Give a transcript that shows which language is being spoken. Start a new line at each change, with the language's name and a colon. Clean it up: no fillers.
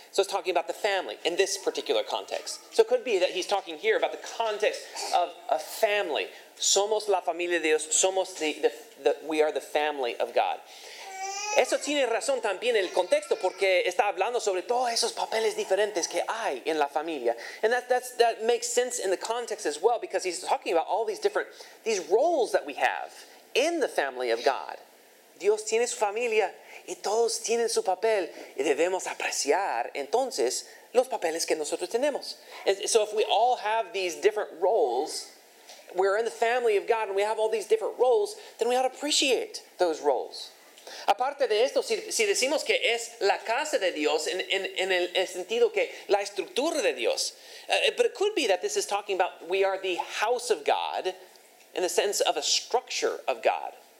English: So it's talking about the family in this particular context. So it could be that he's talking here about the context of a family.
Spanish: Somos la familia de Dios. Somos
English: we are the family of God.
Spanish: Eso tiene razón también el contexto porque está hablando sobre todos esos papeles diferentes que hay en la familia.
English: And that makes sense in the context as well because he's talking about all these roles that we have in the family of God.
Spanish: Dios tiene su familia y todos tienen su papel y debemos apreciar entonces los papeles que nosotros tenemos.
English: And so if we all have these different roles, we're in the family of God and we have all these different roles, then we ought to appreciate those roles.
Spanish: Aparte de esto, si decimos que es la casa de Dios en el sentido que la estructura de Dios,
English: but it could be that this is talking about we are the house of God in the sense of a structure of God.